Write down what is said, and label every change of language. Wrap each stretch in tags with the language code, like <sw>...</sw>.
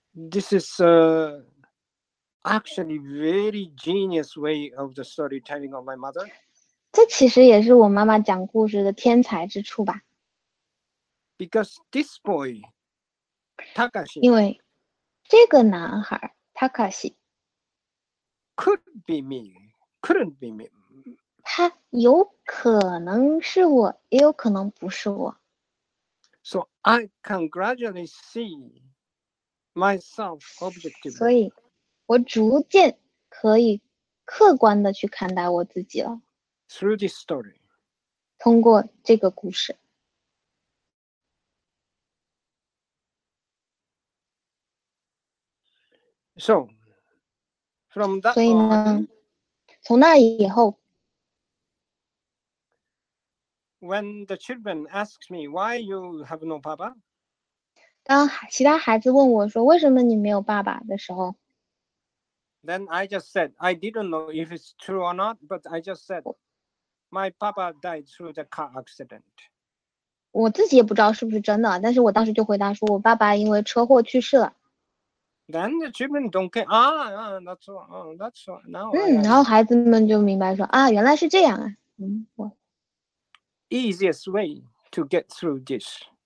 <en>？This is actually very genius way of the storytelling of my mother.</en> <zh>这其实也是我妈妈讲故事的天才之处吧。</zh> <en>Because this boy, Takashi,</en> <zh>因为这个男孩 Takashi</zh> <en>could be me, couldn't be me,</en> <zh>他有可能是我，也有可能不是我。</zh> <en>So I can gradually see myself objectively.</en> <zh>所以，我逐渐可以客观的去看待我自己了。</zh> <en>Through this story.</en> <zh>通过这个故事。</zh> <en>So, from that.</en> <zh>所以呢，从那以后。</zh> <en>When the children ask me why you have no papa,</en> <zh>当其他孩子问我说为什么你没有爸爸的时候</zh> <en>，Then I just said I didn't know if it's true or not, but I just said my papa died through the car accident.</en> <zh>我自己也不知道是不是真的，但是我当时就回答说我爸爸因为车祸去世了。</zh> <en>Then the children don't care. Ah, that's right. That's right. Now,</en> <zh>然后孩子们就明白说啊，原来是这样啊。</zh> <en>Easiest way to get through this.</en>